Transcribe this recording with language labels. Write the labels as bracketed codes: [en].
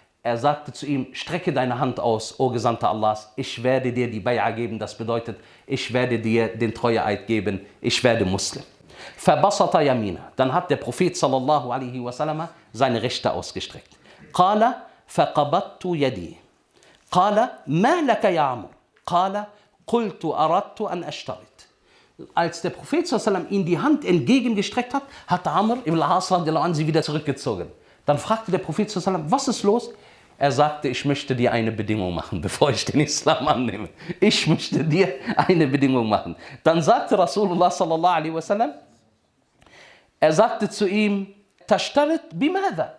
[de] Er sagte zu ihm, strecke deine Hand aus, o Gesandter Allahs, ich werde dir die Bay'a geben. Das bedeutet, ich werde dir den Treueeid geben, ich werde Muslim. [ar] Fabasata yamina. [de] Dann hat der Prophet sallallahu alaihi wasallam seine Rechte ausgestreckt. [ar] Qala faqabattu yadi. قال ما لك يا عمر قال قلت اردت ان اشترط. [de] Als der Prophet sallam ihm die Hand entgegengestreckt hat, hat Amr ibn al-As radiallahu anhu sie wieder zurückgezogen. Dann fragte der Prophet sallam, was ist los? Er sagte, ich möchte dir eine Bedingung machen, bevor ich den Islam annehme. Ich möchte dir eine Bedingung machen. Dann sagte Rasulullah sallallahu alaihi wasallam, er sagte zu ihm, [ar] tashtarit bimadha?